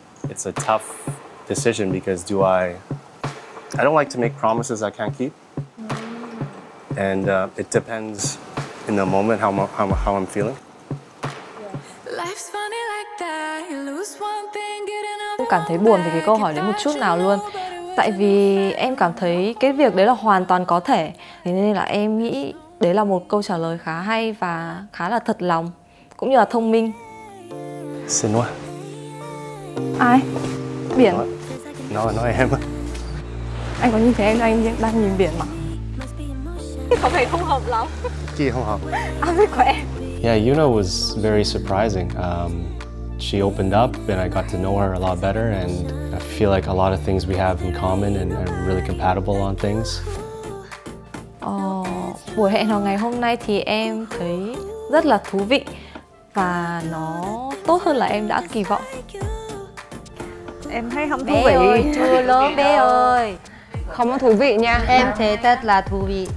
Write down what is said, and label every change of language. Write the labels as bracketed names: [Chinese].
[English] It's a tough decision because I don't like to make promises I can't keep. And it depends in the moment how I'm feeling. Life's funny like that, you lose one thing, get another. [Vietnamese] Không cảm thấy buồn về cái câu hỏi đấy một chút nào luôn. Tại vì em cảm thấy cái việc đấy là hoàn toàn có thể. Thế nên là em nghĩ đấy là một câu trả lời khá hay và khá là thật lòng, cũng như là thông minh. Xin lỗi. Ai? Biển. Nói em. Anh có nhìn thấy em, anh đang nhìn biển mà. Có vẻ không hợp lắm. Chị không hợp. Anh biết của em. [English] Yeah, Yuna was very surprising. She opened up and I got to know her a lot better and I feel like a lot of things we have in common and are really compatible on things. [Vietnamese] Buổi hẹn hò ngày hôm nay thì em thấy rất là thú vị và nó tốt hơn là em đã kỳ vọng. Em thấy không thú vị. Bé ơi, chưa lớn bé ơi. Không có thú vị nha. Em thấy rất là thú vị.